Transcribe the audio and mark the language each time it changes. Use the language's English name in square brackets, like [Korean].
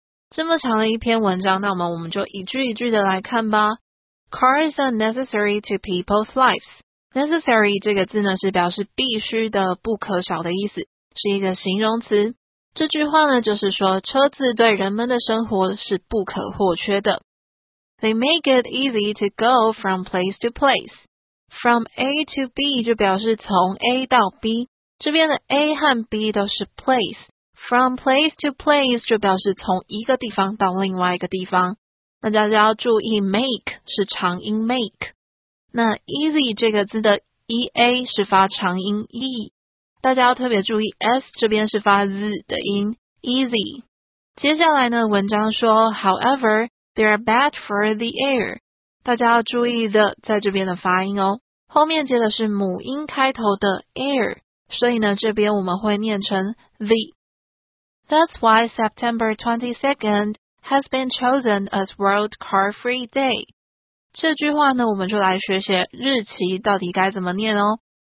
[Chinese] 这么长的一篇文章，那么我们就一句一句的来看吧。 [English] Car is unnecessary to people's lives. [Chinese] Necessary 这个字呢，是表示必须的、不可少的意思，是一个形容词。这句话呢，就是说车子对人们的生活是不可或缺的。 [English] They make it easy to go from place to place. [Chinese] From A to B 就表示从 A 到 B. 这边的 A 和 B 都是 place. [English] From place to place [Chinese] 就表示从一个地方到另外一个地方。那大家要注意 make 是长音 make。那 easy 这个字的 EA 是发长音 E。大家要特别注意 S 这边是发 Z 的音 easy。接下来呢文章说 [English] however,They are bad for the air. [Chinese] 大家要注意 the 在这边的发音哦。后面接的是母音开头的 air, 所以呢这边我们会念成 the. [English] That's why September 22nd has been chosen as World Car Free Day. [Chinese] 这句话呢我们就来学学日期到底该怎么念哦。